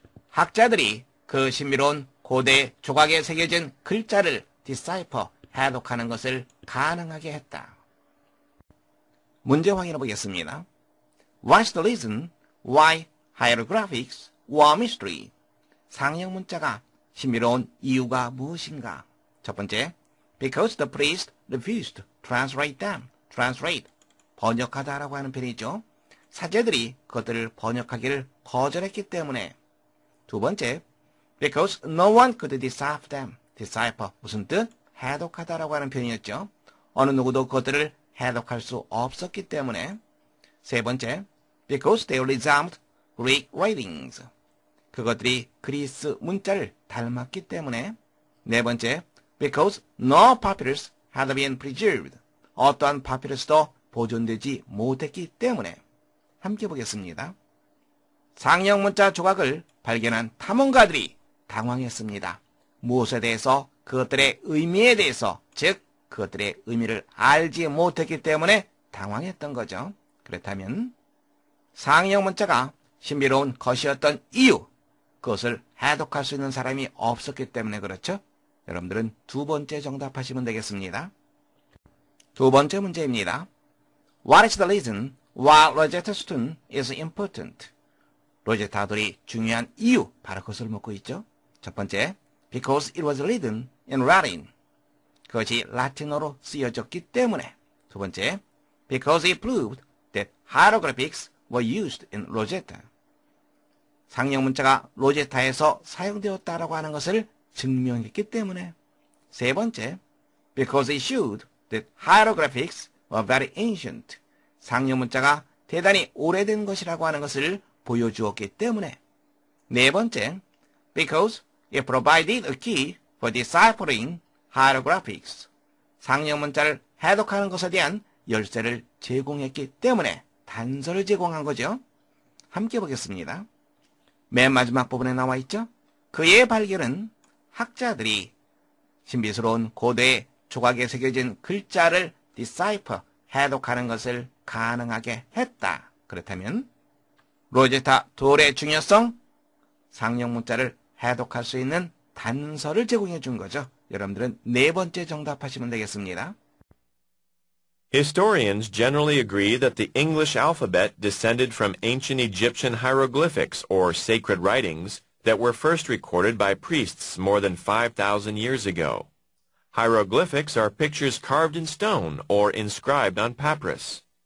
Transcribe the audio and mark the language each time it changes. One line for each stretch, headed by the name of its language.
Korean: 학자들이 그 신비로운 고대 조각에 새겨진 글자를 디사이퍼 해독하는 것을 가능하게 했다. 문제 확인해 보겠습니다.
English: What's the reason why hieroglyphics were mystery?
Korean: 상형 문자가 신비로운 이유가 무엇인가? 첫 번째,
English: because the priest refused to translate them.
Korean: Translate, 번역하다라고 하는 편이죠. 사제들이 그것들을 번역하기를 거절했기 때문에. 두 번째,
English: because no one could decipher them.
Korean: Decipher, 무슨 뜻? 해독하다라고 하는 편이었죠. 어느 누구도 그것들을 해독할 수 없었기 때문에. 세 번째,
English: because they resembled Greek writings.
Korean: 그것들이 그리스 문자를 닮았기 때문에. 네 번째,
English: because no papyrus had been preserved.
Korean: 어떠한 파피루스도 보존되지 못했기 때문에. 함께 보겠습니다. 상형 문자 조각을 발견한 탐험가들이 당황했습니다. 무엇에 대해서? 그것들의 의미에 대해서, 즉 그것들의 의미를 알지 못했기 때문에 당황했던 거죠. 그렇다면 상형 문자가 신비로운 것이었던 이유, 그것을 해독할 수 있는 사람이 없었기 때문에 그렇죠? 여러분들은 두 번째 정답하시면 되겠습니다. 두 번째 문제입니다.
English: What is the reason why Rosetta Stone is important?
Korean: 로제타 돌이 중요한 이유, 바로 그것을 묻고 있죠. 첫 번째,
English: because it was written in Latin.
Korean: 그것이 라틴어로 쓰여졌기 때문에. 두 번째,
English: because it proved that hieroglyphics were used in Rosetta.
Korean: 상형 문자가 로제타에서 사용되었다라고 하는 것을 증명했기 때문에. 세 번째,
English: because it showed that hieroglyphics were very ancient.
Korean: 상형 문자가 대단히 오래된 것이라고 하는 것을 보여주었기 때문에. 네 번째,
English: because it provided a key for deciphering hieroglyphics.
Korean: 상형 문자를 해독하는 것에 대한 열쇠를 제공했기 때문에, 단서를 제공한 거죠. 함께 보겠습니다. 맨 마지막 부분에 나와 있죠. 그의 발견은 학자들이 신비스러운 고대 조각에 새겨진 글자를 디사이퍼, 해독하는 것을 가능하게 했다. 그렇다면 로제타 돌의 중요성, 상형 문자를 해독할 수 있는 단서를 제공해 준 거죠. 여러분들은 네 번째 정답하시면 되겠습니다.
English: Historians generally agree that the English alphabet descended from ancient Egyptian hieroglyphics or sacred writings that were first recorded by priests more than 5,000 years ago. Hieroglyphics are pictures carved in stone or inscribed on papyrus.